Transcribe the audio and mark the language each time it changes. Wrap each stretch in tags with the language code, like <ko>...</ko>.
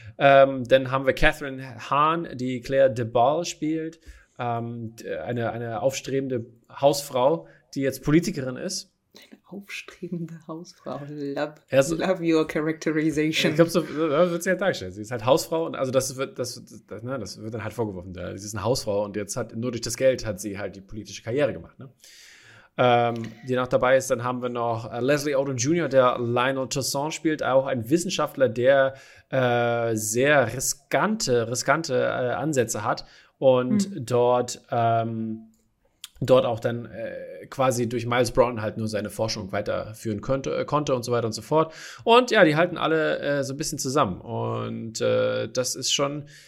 <de>Dann haben wir Catherine Hahn, die Claire de Ball spielt, eine aufstrebende Hausfrau, die jetzt Politikerin ist. Eine aufstrebende Hausfrau.</de> <en>Love your characterization.</en> <de>Ich glaube, so wird sie halt dargestellt. Sie ist halt Hausfrau und also das wird dann halt vorgeworfen. Sie ist eine Hausfrau und jetzt hat nur durch das Geld hat sie halt die politische Karriere gemacht. Ne? Die noch dabei ist, dann haben wir noch Leslie Odom Jr., der Lionel Toussaint spielt, auch ein Wissenschaftler, der sehr riskante Ansätze hat und dort auch dann quasi durch Miles Braun halt nur seine Forschung weiterführen konnte und so weiter und so fort. Und ja, die halten alle so ein bisschen zusammen. Und das ist schon</de>